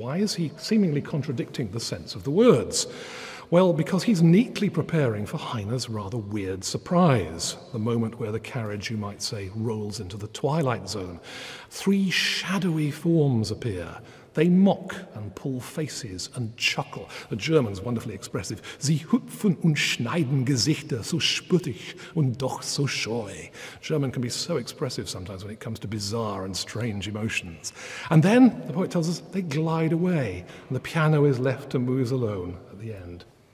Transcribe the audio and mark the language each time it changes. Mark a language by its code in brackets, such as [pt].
[en] Why is he seemingly contradicting the sense of the words? Well, because he's neatly preparing for Heine's rather weird surprise, the moment where the carriage, you might say, rolls into the twilight zone. Three shadowy forms appear. They mock and pull faces and chuckle. The German's wonderfully expressive. [de] Sie hüpfen und schneiden Gesichter so spöttisch und doch so scheu. [en] German can be so expressive sometimes when it comes to bizarre and strange emotions. And then, the poet tells us, they glide away, and the piano is left to muse alone at the end.